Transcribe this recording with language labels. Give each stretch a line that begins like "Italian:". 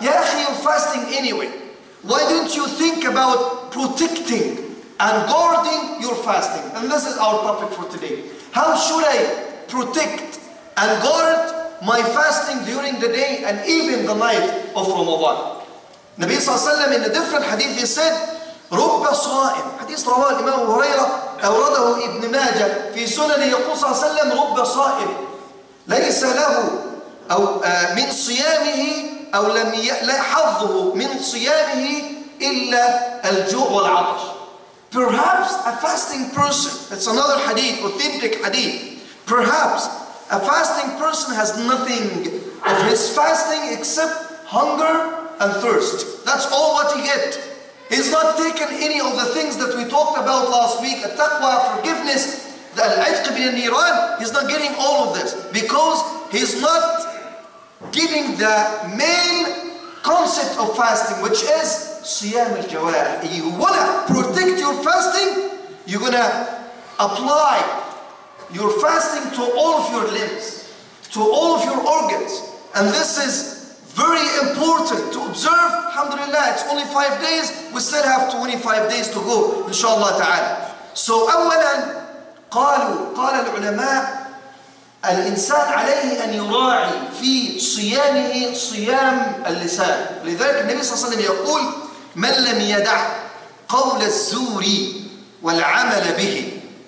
English: Ya akhi, you're fasting anyway. Why don't you think about protecting and guarding your fasting? And this is our topic for today. How should I protect and guard my fasting during the day and even the night of Ramadan? Nabi Sallallahu Alaihi Wasallam in a different hadith, he said,
Arabic: رُبَّ صَائِمٍ.
English: Hadith
Arabic: رواه الإمام أبو هريرة أورده ابن ماجة في سننه يقول صلى الله عليه وسلم رب صائم ليس له أو من صيامه أو لم لا حظه من صيامه إلا الجوع والعطش.
English: Perhaps a fasting person, that's another hadith, authentic hadith. Perhaps a fasting person has nothing of his fasting except hunger and thirst. That's all what he gets. He's not taken any of the things that we talked about last week, at-taqwa, forgiveness, the
Arabic: al-itq bin al-niran.
English: He's not getting all of this because he's not giving the main concept of fasting, which is siyam al-jawarih. You want to protect your fasting, you're going to apply your fasting to all of your limbs, to all of your organs. And this is very important to observe. Alhamdulillah, it's only 5 days. We still have 25 days to go, inshallah ta'ala. So,
Arabic: awalan, qala al-ulama, الإنسان عليه أن يراعي في صيامه صيام اللسان. لذلك النبي صلى الله عليه وسلم يقول من لم يدع قول الزور والعمل به.